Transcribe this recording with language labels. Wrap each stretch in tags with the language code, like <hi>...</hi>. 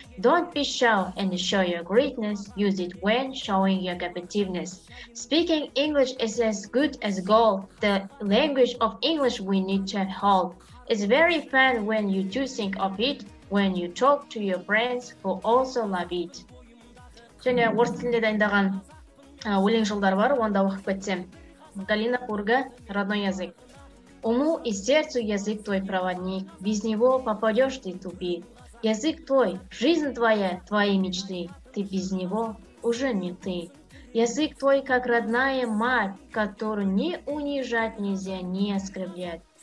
<en>Don't be shy and show your greatness. Use it when showing your competitiveness. Speaking English is as good as gold. The language of English we need to hold. It's very fun when you do think of it, when you talk to your friends who also love it.</en> <kk>Және орыс тілінде дайындаған өлең жолдар бар, онда оқып кетсем.</kk> <ru>Галина Пурга, родной язык. Уму и сердцу язык твой проводник, без него попадешь ты тупи. Язык твой, жизнь твоя, твои мечты, ты без него уже не ты. Язык твой, как родная мать, которую ни унижать нельзя, ни оскорблять.</ru>